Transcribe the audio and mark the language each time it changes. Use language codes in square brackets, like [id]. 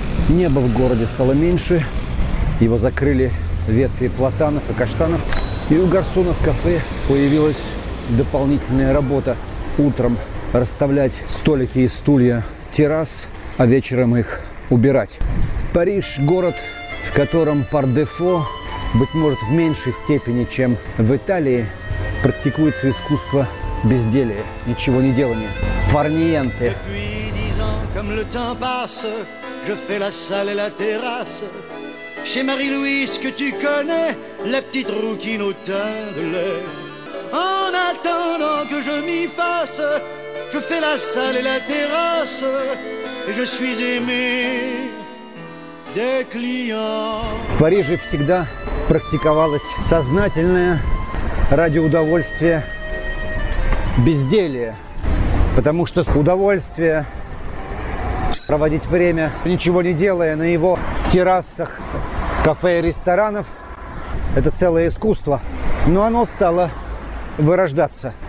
[ru] Небо в городе стало меньше, его закрыли ветви платанов и каштанов, и у гарсона в кафе появилась дополнительная работа – утром расставлять столики и стулья террас, а вечером их убирать. Париж – город, в котором пар дефо, быть может, в меньшей степени, чем в Италии, практикуется искусство безделия, ничего не делания. Фарниенте. [fr] Depuis 10 ans, comme le temps passe, je fais la salle et la terrasse. Chez Marie-Louise, que tu connais, la petite routine au teint de l'air. En attendant que je m'y fasse, je fais la salle et la terrasse. Et je suis aimé des clients. [ru] В Париже всегда практиковалось сознательное ради удовольствия безделье, потому что удовольствие проводить время, ничего не делая на его террасах, кафе и ресторанов, это целое искусство, но оно стало вырождаться.